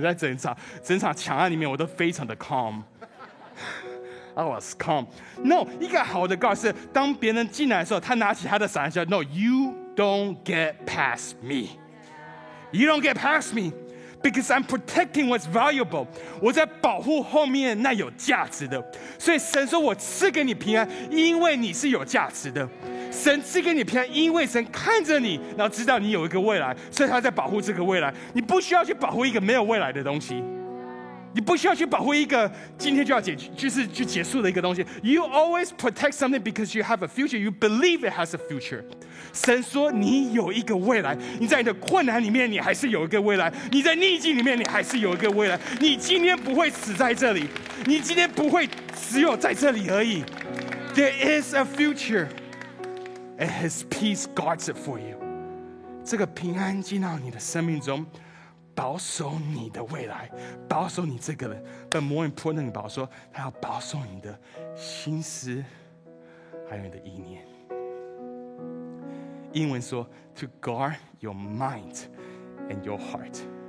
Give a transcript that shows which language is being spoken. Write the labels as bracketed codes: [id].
[zh] 在整场抢案里面，我都非常的 calm。 [en] I was calm. [zh] No, 一个好的 guard 是当别人进来的时候，他拿起他的伞说 ， [en] No, you don't get past me. You don't get past me because I'm protecting what's valuable. [zh] 我在保护后面那有价值的。所以神说我赐给你平安，因为你是有价值的。神赐给你平安，因为神看着你，然后知道你有一个未来，所以他在保护这个未来。你不需要去保护一个没有未来的东西。你不需要去保护一个今天就要解就是去结束的一个东西。 [en] You always protect something because you have a future. You believe it has a future. [zh] 神说你有一个未来，你在你的困难里面你还是有一个未来，你在逆境里面你还是有一个未来。你今天不会死在这里，你今天不会只有在这里而已。 [en] There is a future, and His peace guards it for you. [zh] 这个平安进到你的生命中。保守你的未来，保守你这个人。 [en] But more importantly， [zh] 保守他要保守你的心思，还有你的意念。英文说 [en] ，to guard your mind and your heart。